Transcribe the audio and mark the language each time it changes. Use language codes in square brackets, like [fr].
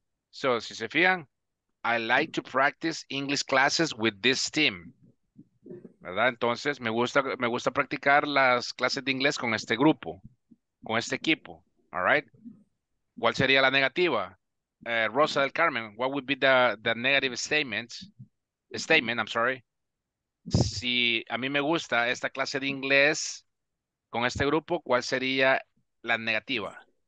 [en] So, [es] si se fijan, [en] I like to practice English classes with this team. [es] ¿Verdad? Entonces, me gusta practicar las clases de inglés con este grupo, con este equipo. [en] All right? [es] ¿Cuál sería la negativa? [en] Rosa del Carmen, what would be the negative statement? Statement, I'm sorry. [es] Si a mí me gusta esta clase de inglés con este grupo, ¿cuál sería la negativa?